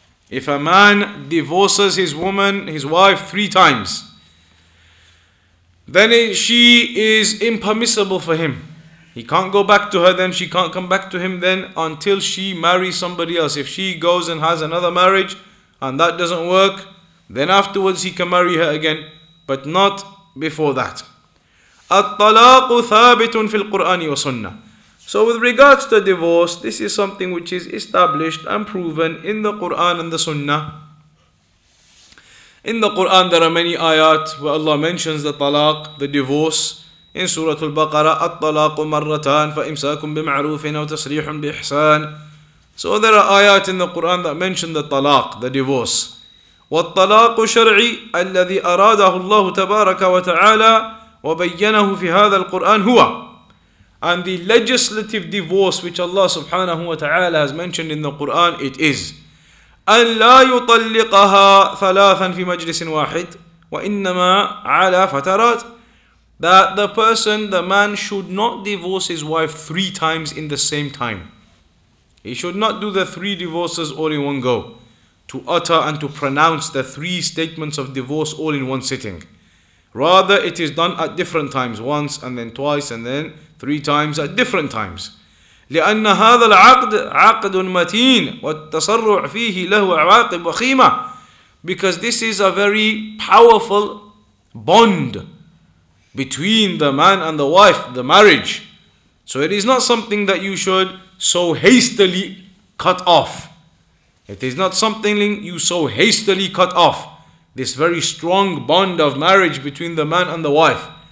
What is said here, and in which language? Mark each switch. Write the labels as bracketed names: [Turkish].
[English] If a man divorces his wife three times, then she is impermissible for him. He can't go back to her then, she can't come back to him then, until she marries somebody else. If she goes and has another marriage and that doesn't work, then afterwards he can marry her again, but not before that. [Arabic] الطلاق ثابت في القرآن والسنة. [English] So with regards to divorce, this is something which is established and proven in the Quran and the Sunnah. In the Quran there are many ayat where Allah mentions the talaq, the divorce. In Surah Al-Baqarah, [Arabic] الطلاق مرتان فإمساك بمعروف أو تصريح بإحسان. [English] So there are ayat in the Quran that mention the talaq, the divorce. [Arabic] والطلاق شرعي الذي أراده الله تبارك وتعالى وَبَيَّنَهُ فِي هَذَا الْقُرْآنِ هُوَ. [English] And the legislative divorce which Allah subhanahu wa ta'ala has mentioned in the Quran, it is [Arabic] أَنْ لَا يُطَلِّقَهَا ثَلَاثًا فِي مَجْلِسٍ وَاحِدٍ وَإِنَّمَا عَلَى فَتَرَاتٍ. [English] That the person, the man, should not divorce his wife three times in the same time. He should not do the three divorces all in one go, to utter and to pronounce the three statements of divorce all in one sitting. Rather, it is done at different times, once and then twice and then three times at different times. [Arabic] لأن هذا العقد عقد متين والتصرع فيه له عواقب وخيمة. [English] Because this is a very powerful bond between the man and the wife, the marriage. So it is not something that you should so hastily cut off. It is not something you so hastily cut off. This very strong bond of marriage between the man and the wife.